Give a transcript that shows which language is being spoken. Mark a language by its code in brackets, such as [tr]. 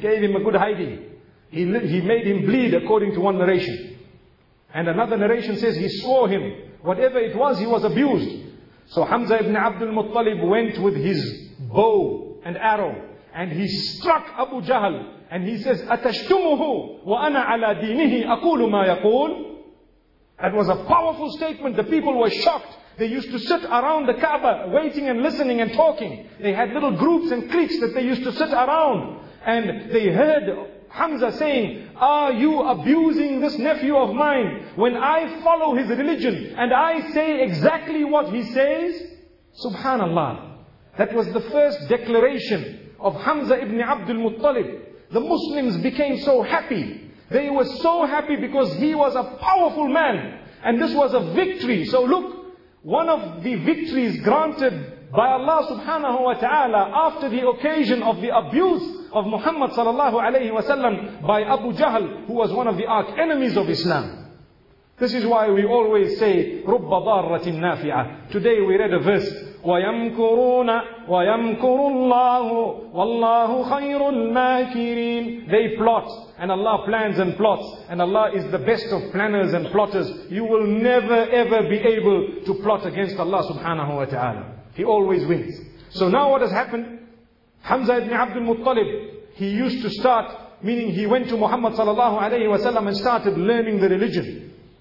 [en] Gave him a good hiding. He made him bleed, according to one narration. And another narration says he swore him. Whatever it was, he was abused. So Hamza ibn Abdul Muttalib went with his bow and arrow, and he struck Abu Jahl. And he says, [ar] أَتَشْتُمُهُ وَأَنَا عَلَىٰ دِينِهِ أَقُولُ مَا يَقُولُ. [en] That was a powerful statement. The people were shocked. They used to sit around the Kaaba, waiting and listening and talking. They had little groups and cliques that they used to sit around. And they heard Hamza saying, are you abusing this nephew of mine when I follow his religion and I say exactly what he says? Subhanallah. That was the first declaration of Hamza ibn Abdul Muttalib. The Muslims became so happy. They were so happy because he was a powerful man. And this was a victory. So look, one of the victories granted by Allah subhanahu wa ta'ala after the occasion of the abuse of Muhammad sallallahu alayhi wa sallam by Abu Jahl, who was one of the arch enemies of Islam. This is why we always say, [ar] رُبَّ ضَارَّةٍ نَافِعَةٍ. [en] Today we read a verse, [ar] وَيَمْكُرُونَ وَيَمْكُرُ اللَّهُ وَاللَّهُ خَيْرُ الْمَاكِرِينَ. [en] They plot, and Allah plans and plots, and Allah is the best of planners and plotters. You will never ever be able to plot against Allah subhanahu wa ta'ala. He always wins. So now what has happened? Hamza ibn Abdul Muttalib, he used to start, meaning he went to Muhammad sallallahu alayhi wa sallam and started learning the religion.